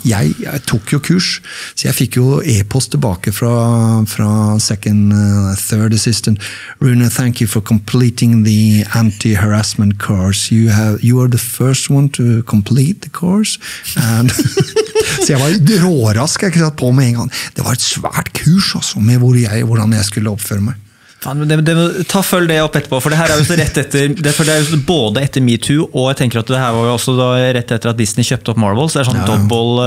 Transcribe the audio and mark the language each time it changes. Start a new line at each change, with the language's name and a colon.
Norwegian: Jeg tok jo kurs, så jeg fikk jo e-post tilbake fra
English: second, third assistant. Rune, thank you for completing the anti-harassment course. You are the first one to complete the course.
Norwegian: And så jeg var rårask, jeg satt på med en gang. Det var et svært kurs også, med hvordan jeg skulle oppføre meg. Ta følg det opp etterpå, for det her er jo så rett etter, for det er jo både etter MeToo, og jeg tenker at det her var jo også da rett etter at Disney kjøpte opp Marvel, så det er sånn dobbelt.